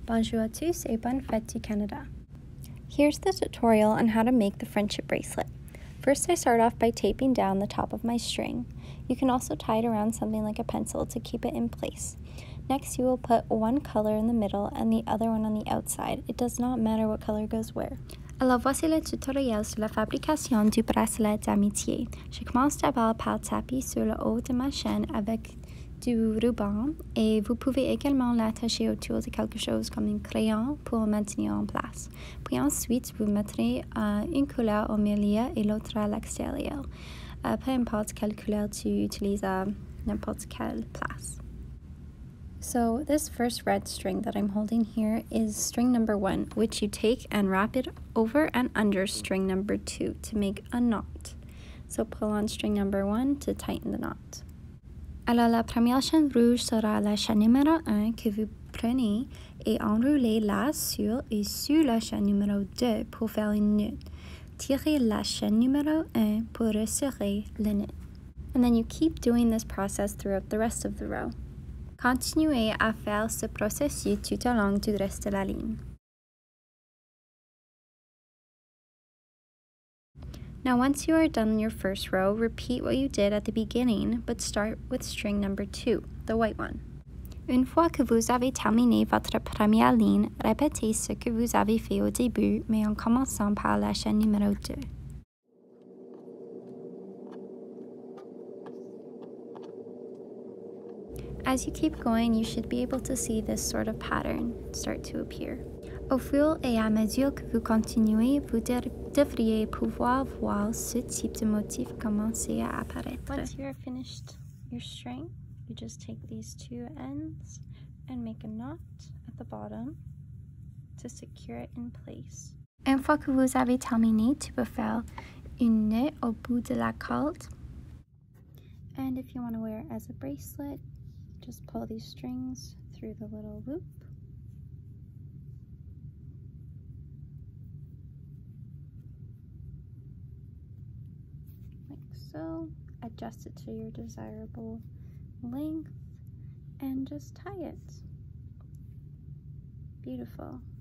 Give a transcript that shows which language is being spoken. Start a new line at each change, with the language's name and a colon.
French: Bonjour à tous et bonne fête du Canada.
English: Here's the tutorial on how to make the friendship bracelet. First, I start off by taping down the top of my string. You can also tie it around something like a pencil to keep it in place. Next, you will put one color in the middle and the other one on the outside. It does not matter what color goes where.
French: Alors voici le tutoriel sur la fabrication du bracelet d'amitié. Je commence d'abord par taper sur le haut de ma chaîne avec du ruban et vous pouvez également l'attacher autour de quelque chose comme un crayon pour maintenir en place. Puis ensuite, vous mettrez une couleur au milieu et l'autre à l'extérieur. Peu importe quelle couleur tu utilises à n'importe quelle place.
English: So this first red string that I'm holding here is string number one, which you take and wrap it over and under string number two to make a knot. So pull on string number one to tighten the knot.
French: Alors la première chaîne rouge sera la chaîne numéro 1 que vous prenez et enroulez là sur et sur la chaîne numéro 2 pour faire une nœud. Tirez la chaîne numéro 1 pour resserrer le nœud.
English: And then you keep doing this process throughout the rest of the row.
French: Continuez à faire ce processus tout au long du reste de la ligne.
English: Now, once you are done your first row, repeat what you did at the beginning, but start with string number two, the white one.
French: Une fois que vous avez terminé votre première ligne, répétez ce que vous avez fait au début, mais en commençant par la chaîne numéro 2.
English: As you keep going, you should be able to see this sort of pattern start to appear.
French: Au fur et à mesure que vous continuez, vous devriez pouvoir voir ce type de motif commencer à apparaître.
English: Once you're finished your string, you just take these two ends and make a knot at the bottom to secure it in place.
French: Une fois que vous avez terminé, tu peux faire une nœud au bout de la corde.
English: And if you want to wear it as a bracelet, just pull these strings through the little loop. So adjust it to your desirable length and just tie it. Beautiful.